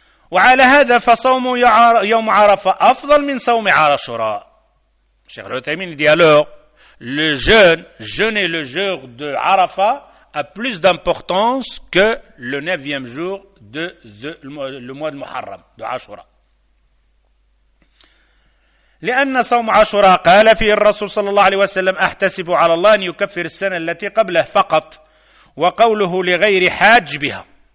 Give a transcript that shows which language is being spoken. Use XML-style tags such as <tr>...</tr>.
<ar>وعلى هذا فصوم يوم عرفة أفضل من صوم عاشوراء.</ar> <fr>Cheikh Al-Uthaymeen dit alors, le jeûne, jeûner le jour de Arafa a plus d'importance que le 9e jour de le mois de Muharram, de Ashura.</fr> <ar>لأن صوم عاشوراء قال فيه الرسول صلى الله عليه وسلم أحتسب على الله أن يكفر السنة التي قبله فقط وقوله لغير حاج بها.</ar>